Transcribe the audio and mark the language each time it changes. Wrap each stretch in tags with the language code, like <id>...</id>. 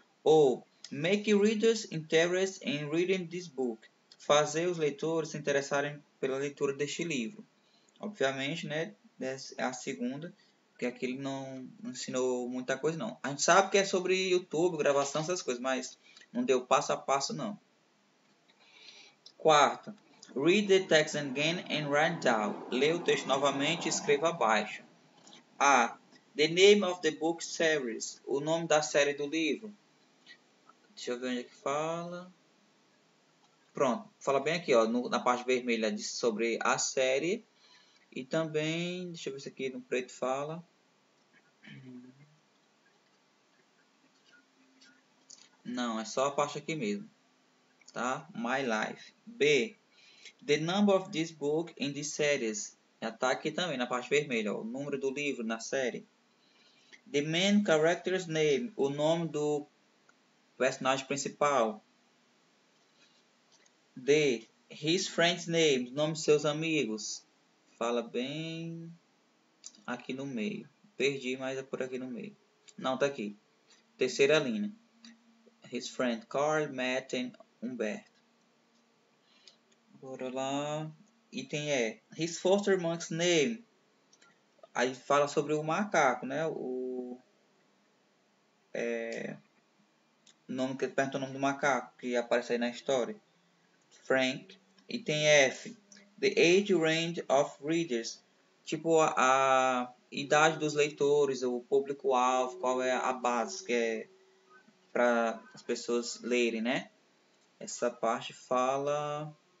<en>Ou make readers interested in reading this book.</en> <pt>Fazer os leitores se interessarem pela leitura deste livro. Obviamente, né? Essa é a segunda, porque aqui ele não ensinou muita coisa, não. A gente sabe que é sobre YouTube, gravação, essas coisas, mas não deu passo a passo, não. Quarta,</pt> <en>read the text again and write down.</en> <pt>Lê o texto novamente e escreva abaixo. A,</pt> <en>the name of the book series.</en> <pt>O nome da série do livro. Deixa eu ver onde é que fala. Pronto, fala bem aqui, ó, na parte vermelha diz sobre a série. E também, deixa eu ver se aqui no preto fala. Não, é só a parte aqui mesmo. Tá? My Life. B.</pt> <en>The number of this book in this series.</en> <pt>Tá aqui também, na parte vermelha, ó, o número do livro na série.</pt> <en>The main character's name.</en> <pt>O nome do personagem principal. D.</pt> <en>His friend's name.</en> <pt>Nome de seus amigos. Fala bem aqui no meio. Perdi, mas é por aqui no meio. Não, tá aqui. Terceira linha.</pt> <en>His friend Carl, Matt and Humberto.</en> <pt>Bora lá.</pt> <en>Item E. His foster monk's name.</en> <pt>Aí fala sobre o macaco, né? Pergunta o nome do macaco que aparece aí na história.</pt> <en>Frank. Item F. The age range of readers.</en> <pt>tipo a idade dos leitores, o público-alvo, qual é a base que é para as pessoas lerem, né? Essa parte fala.</pt>